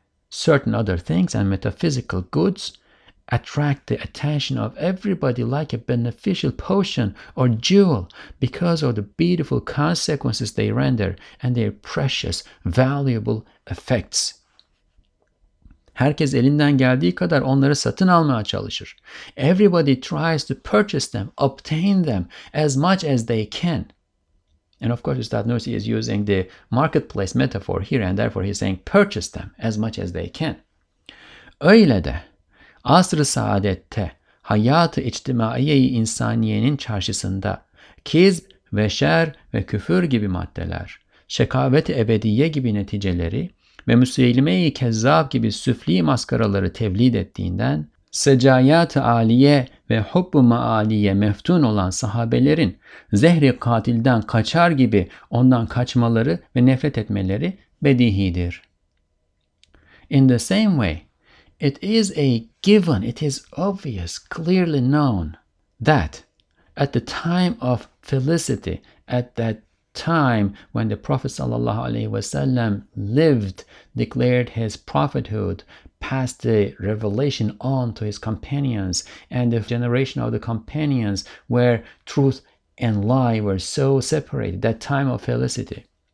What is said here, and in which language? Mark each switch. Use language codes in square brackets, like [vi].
[en] Certain other things and metaphysical goods attract the attention of everybody like a beneficial potion or jewel because of the beautiful consequences they render and their precious, valuable effects. [tr] Herkes elinden geldiği kadar onları satın almaya çalışır. [en] Everybody tries to purchase them, obtain them as much as they can. And of course, Ustad Nursi is using the marketplace metaphor here, and therefore he's saying purchase them as much as they can. [tr] Öyle de asr-ı saadette hayat-ı içtimaiye-i insaniyenin çarşısında kizb ve şer ve küfür gibi maddeler, şekavet-i ebediye gibi neticeleri ve müseylime-i kezzab gibi süfli maskaraları tevlid ettiğinden, secayat-ı aliye ve hubb-ı maaliye meftun olan sahabelerin zehri katilden kaçar gibi ondan kaçmaları ve nefret etmeleri bedihidir. [en] In the same way, it is a given, it is obvious, clearly known, that at the time of felicity, at that time when the Prophet sallallahu alaihi wasallam lived, declared his prophethood, passed the revelation on to his companions, and the generation of the companions where truth and lie were so separated, that time of felicity.